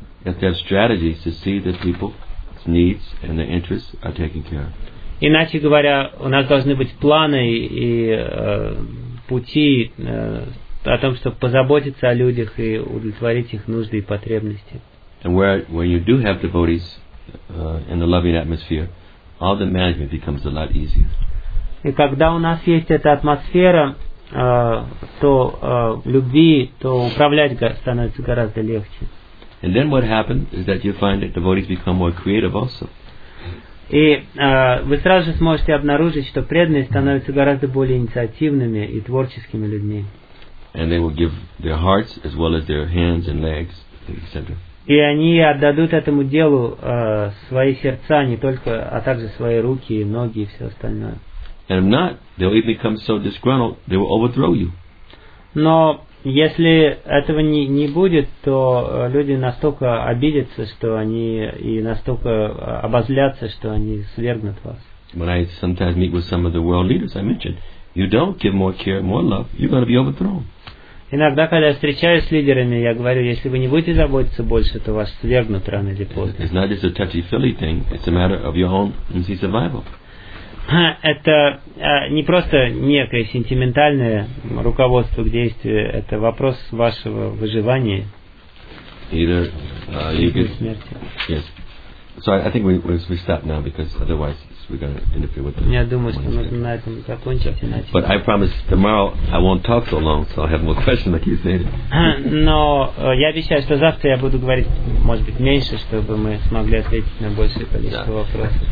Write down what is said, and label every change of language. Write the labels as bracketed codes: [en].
[en] You have to have strategies to see that people's needs and their interests are taken care of. [ru] Иначе говоря, у нас должны быть планы и пути о том, чтобы позаботиться о людях и удовлетворить их нужды и потребности. [en] And when you do have devotees, in the loving atmosphere, all the management becomes a lot easier. [ru] И когда у нас есть эта атмосфера, то любви, то управлять становится гораздо легче. [en] And then what happens is that you find that devotees become more creative also. [ru] И вы сразу же сможете обнаружить, что преданные становятся гораздо более инициативными и творческими людьми. [en] And they will give their hearts as well as their hands and legs, etc. [ru] И они отдадут этому делу свои сердца, не только, а также свои руки, ноги и все остальное. [en] And if not, they'll even become so disgruntled, they will overthrow you. [ru] Но если этого не будет, то люди настолько обидятся, что они и настолько обозлятся, что они свергнут вас. [en] When I sometimes meet with some of the world leaders, I mentioned, you don't give more care, more love, you're going to be overthrown. [ru] Иногда, когда я встречаюсь с лидерами, я говорю, если вы не будете заботиться больше, то вас свергнут рано или поздно. [en] It's not just a touchy-feely thing, it's a matter of your own survival. [ru] Это не просто некое сентиментальное руководство к действию, это вопрос вашего выживания. [en] Either [ru] смерти. [en] Yes. So I think we stop now, because otherwise we're going to interfere with them. [ru] Я думаю, что мы на этом закончить, иначе. [en] But I promise tomorrow I won't talk so long, so I have more questions like you said. [ru] Но я обещаю, что завтра я буду говорить, может быть, меньше, чтобы мы смогли ответить на большее количество вопросов.